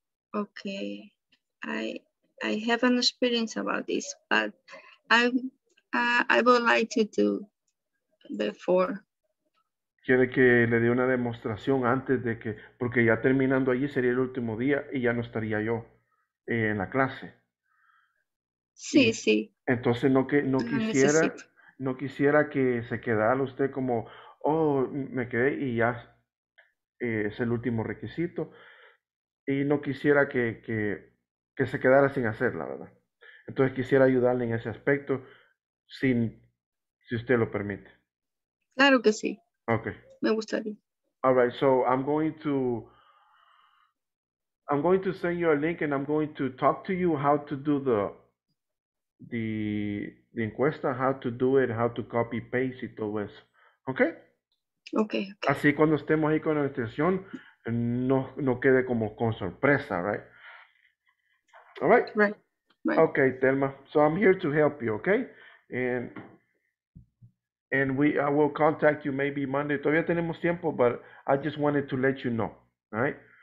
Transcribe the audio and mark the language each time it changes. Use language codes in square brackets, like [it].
[en] Okay, I have an experience about this, but I would like to do before. [es] Quiere que le dé una demostración antes de que, porque ya terminando allí sería el último día y ya no estaría yo en la clase. Sí, sí. Entonces no quisiera que se quedara usted como, oh, me quedé y ya es el último requisito. Y no quisiera que se quedara sin hacerla, ¿verdad? Entonces quisiera ayudarle en ese aspecto, si usted lo permite. Claro que sí. Ok. Me gustaría. [en] All right, so I'm going to send you a link and I'm going to talk to you how to do the encuesta, how to do it, how to copy paste [es] y todo eso. Okay? Okay. Así cuando estemos ahí con la extensión, no quede como con sorpresa, right? All right? Right. Right. [en] Okay, Thelma. So I'm here to help you, okay? And I will contact you maybe Monday. [es] Todavía tenemos tiempo, [en] but I just wanted to let you know, right?